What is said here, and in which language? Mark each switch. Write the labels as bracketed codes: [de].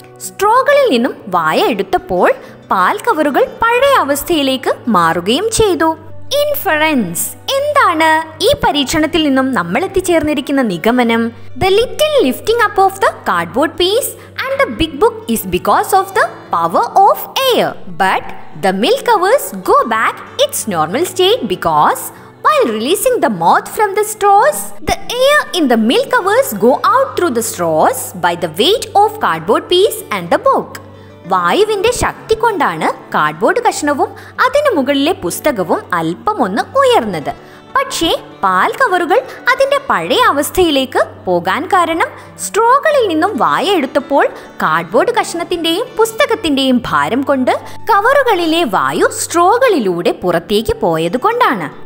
[ml] സ്ട്രോകളിൽ നിന്നും വായ എടുത്തപ്പോൾ പാൽ കവറുകൾ പഴയ അവസ്ഥയിലേക്ക് മാറുകയും ചെയ്തു. ഇൻഫറൻസ്, എന്താണ് ഈ പരീക്ഷണത്തിൽ നിന്നും നമ്മൾ എത്തിച്ചേർന്നിരിക്കുന്ന നിഗമനം? [en] The little lifting up of the cardboard piece and the big book is because of the power of air. But The milk covers go back its normal state because while releasing the moth from the straws, the air in the milk covers go out through the straws by the weight of cardboard piece and the book. [ml] വായുവിന്റെ ശക്തി കൊണ്ടാണ് cardboard കഷ്ണവും അതിന് മുകളിലെ പുസ്തകവും അല്പമൊന്ന് ഉയർന്നത്. പക്ഷേ പാൽ കവറുകൾ അതിന്റെ പഴയ അവസ്ഥയിലേക്ക് പോകാൻ കാരണം സ്ട്രോകളിൽ നിന്നും വായ എടുത്തപ്പോൾ കാർഡ്ബോർഡ് കഷ്ണത്തിന്റെയും പുസ്തകത്തിന്റെയും ഭാരം കൊണ്ട് കവറുകളിലെ വായു സ്ട്രോകളിലൂടെ പുറത്തേക്ക് പോയത് കൊണ്ടാണ്.